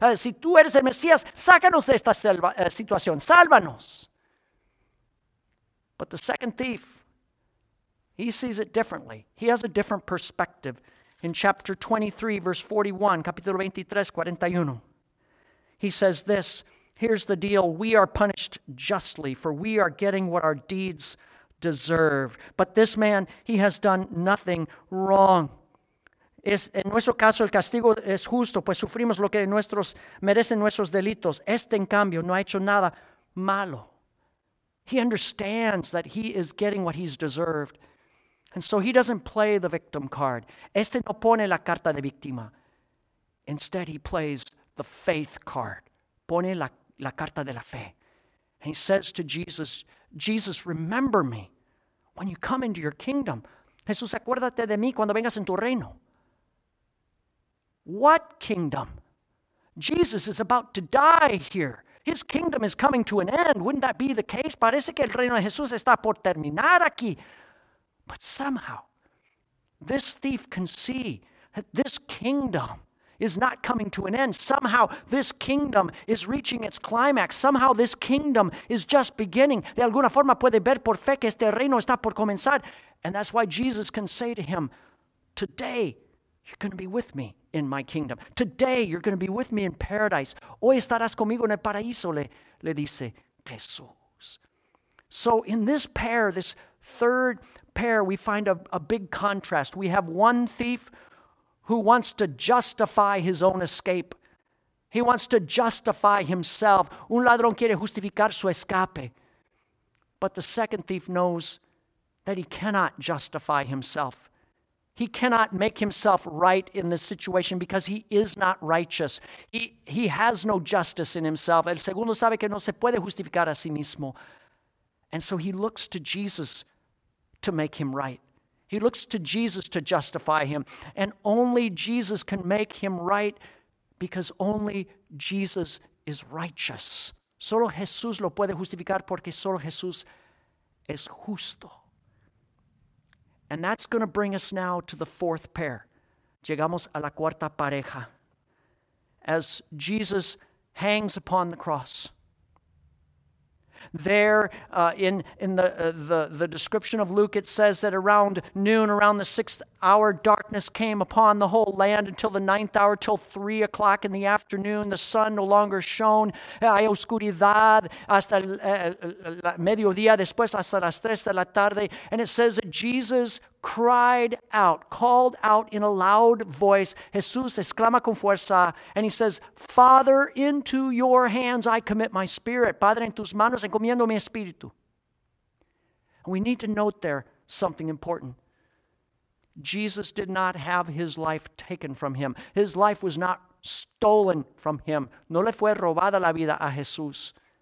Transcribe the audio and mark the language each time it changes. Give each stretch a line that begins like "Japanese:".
Spanish: Si tú eres el Mesías, sácanos de esta situación. Sálvanos.
English: But the second thief, he sees it differently. He has a different perspective. In chapter 23, verse 41,
Spanish: capítulo 23, 41,
English: he says this, here's the deal. We are punished justly, for we are getting what our deeds deserve. But this man, he has done nothing wrong.
Spanish: En nuestro caso, el castigo es justo, pues sufrimos lo que merecen nuestros delitos. Este, en cambio, no ha hecho nada malo.
English: He understands that he is getting what he's deserved. And so he doesn't play the victim card.
Spanish: Este no pone la carta de víctima.
English: Instead, he plays the faith card.
Spanish: Pone la carta de la fe.
English: And he says to Jesus, Jesus, remember me when you come into your kingdom.
Spanish: Jesús, acuérdate de mí cuando vengas en tu reino.
English: What kingdom? Jesus is about to die here. his kingdom is coming to an end. Wouldn't that be the case?
Spanish: Parece que el reino de Jesús está por terminar aquí.
English: But somehow, this thief can see that this kingdom is not coming to an end. Somehow, this kingdom is reaching its climax. Somehow, this kingdom is just beginning.
Spanish: De alguna forma puede ver por fe que este reino está por comenzar.
English: And that's why Jesus can say to him, today, you're going to be with me in my kingdom. Today, you're going to be with me in paradise.
Spanish: Hoy estarás conmigo en el paraíso, le dice Jesús.
English: So in this pair, this third pair, we find a big contrast. We have one thief who wants to justify his own escape. He wants to justify himself.
Spanish: Un ladrón quiere justificar su escape.
English: But the second thief knows that he cannot justify himself. He cannot make himself right in this situation because he is not righteous. He has no justice in himself.
Spanish: El segundo sabe que no se puede justificar a sí mismo.
English: And so he looks to Jesus to make him right. He looks to Jesus to justify him. And only Jesus can make him right because only Jesus is righteous.
Spanish: Solo Jesús lo puede justificar porque solo Jesús es justo.
English: And that's going to bring us now to the fourth pair.
Spanish: Llegamos a la cuarta pareja.
English: As Jesus hangs upon the cross. There in the description of Luke, it says that around noon, around the sixth hour, darkness came upon the whole land until the ninth hour, till 3 o'clock in the afternoon. The sun no longer shone.
Spanish: Hay oscuridad hasta el mediodía, después hasta las tres de la tarde.
English: And it says that Jesus cried out, called out in a loud voice.
Spanish: Jesús exclama con fuerza,
English: and he says, Father, into your hands I commit my spirit.
Spanish: Padre, en tus manos encomiendo mi espíritu.
English: And we need to note there something important. Jesus did not have his life taken from him. His life was not stolen from him.
Spanish: No le fue robada la vida a Jesús.